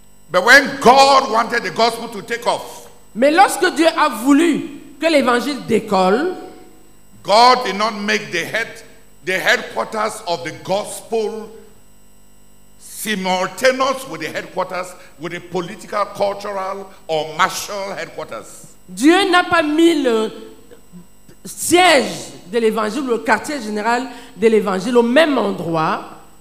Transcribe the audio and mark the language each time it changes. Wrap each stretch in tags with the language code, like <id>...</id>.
<en>But when God wanted the gospel to take off,</en> <fr>mais lorsque Dieu a voulu que l'évangile décolle,</fr> <en>God did not make the headquarters of the gospel simultaneous with the headquarters with the political, cultural or martial headquarters.</en> <fr>Dieu n'a pas mis le siège de l'évangile, le quartier général de l'évangile au même endroit.</fr>